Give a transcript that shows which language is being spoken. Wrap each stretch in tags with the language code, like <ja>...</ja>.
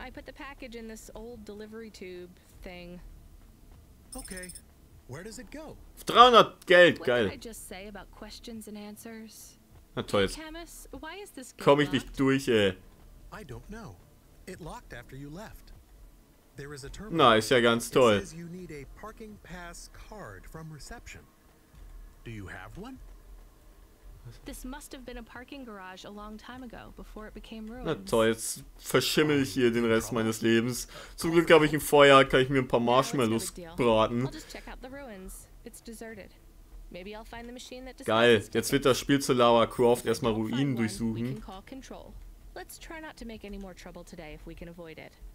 <en>I put the package in this old delivery tube thing. Okay. Where does it go?</en> <de>300 Geld. Geil.</de> <en>What did I just say about questions and answers?</en> <de>Na toll, jetzt komm ich nicht durch, ey.</de> <en>I don't know. It locked after you left. There is a terminal.</en> <de>Na, ist ja ganz toll.</de> <en>It says you need a parking pass card from reception. Do you have one? This must have been a parking garage a long time ago, before it became ruined.</en> <de>Na toll, jetzt verschimmel ich hier den Rest meines Lebens. Zum Glück habe ich ein Feuer, kann ich mir ein paar Marshmallows braten.</de> <en>I'll just check out the ruins. It's deserted. Maybe I'll find the machine that.</en> <de>Geil, jetzt wird das Spiel zu Lara Croft erstmal Ruinen durchsuchen.</de> <en>Let's try not to make any more trouble today if we can avoid it.</en>